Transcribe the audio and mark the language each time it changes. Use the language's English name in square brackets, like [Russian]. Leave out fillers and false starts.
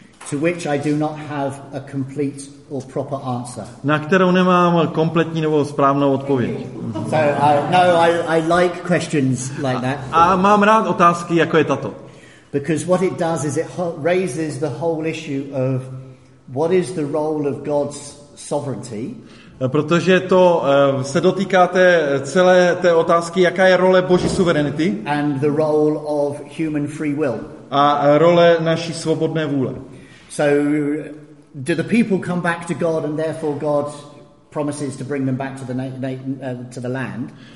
[English] To which I do not have a complete or proper answer. [Czech] Na kterou nemám kompletní nebo správnou odpověď. [English] So I like questions like that. [Czech] A mám rád otázky jako je tato. [English] Because what it does is it raises the whole issue of what is the role of God's sovereignty. [Czech] Protože to se dotýká té celé té otázky, jaká je role Boží suverenity. [English] And the role of human free will. [Czech] A role naší svobodné vůle. [English] So do the people come back to God, and therefore God promises to bring them back to the to the land?